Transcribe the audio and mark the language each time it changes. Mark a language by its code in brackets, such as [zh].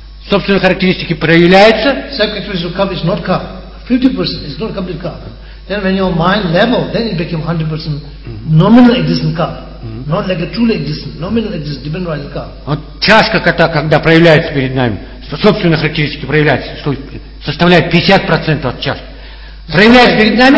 [ru] Собственные характеристики проявляются. [en] Self-characteristics is not car. 50% is not a complete car. Then when your mind level, then it became 100% nominal existent car. Not like a truly existent, nominal existent, dependent rising car. [ru] Вот чашка, когда проявляется перед нами, собственные характеристики проявляются, что составляет 50% от чашки. Проявляется перед нами...